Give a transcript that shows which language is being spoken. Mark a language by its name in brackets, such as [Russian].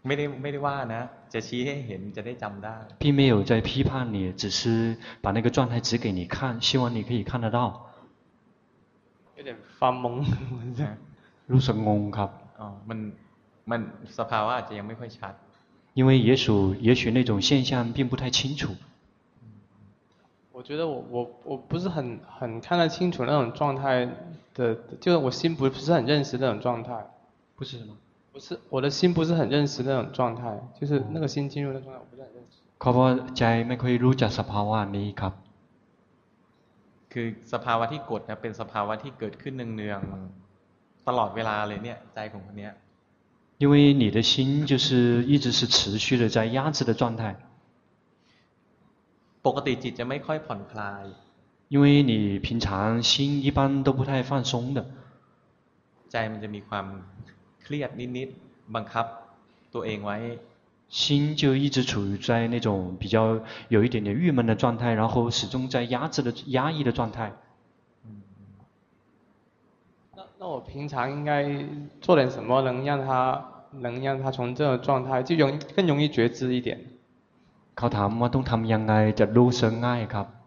[Thai] ไม่ได้ว่านะจะชี้ให้เห็นจะได้จำได้ [Chinese] 并没有在批判你只是把那个状态指给你看希望你可以看得到有点发懵 [Thai] รู้สึกงงครับ มันสภาวะอาจจะยังไม่ค่อยชัด [Chinese] 因为也许那种现象并不太清楚我觉得我不是很看得清楚那种状态的就是我心不是很认识那种状态不是什么不是我的心不是很认识那种状态就是那个心进入那种状态我不是很认识 [Thai] ครับว่าใจไม่ค่อยรู้จักสภาวะนี้ครับ คือสภาวะที่กดนะเป็นสภาวะที่เกิดขึ้นเนืองๆตลอดเวลาเลยเนี่ยใจของคนเนี้ย [Chinese] 因为你的心就是一直是持续的在压制的状态 [Thai] ปกติจิตจะไม่ค่อยผ่อนคลาย [Chinese] 因为你平常心一般都不太放松的 [Thai] ใจมันจะมีความเครียดนิดๆบังคับตัวเองไว้ [Chinese] 心就一直处于在那种比较有一点点郁闷的状态然后始终在压抑的状态那我平常应该做点什么能让他从这个状态就更容易觉知一点 [Thai] เขาถามว่าต้องทำยังไงจะรู้สึกง่ายครับ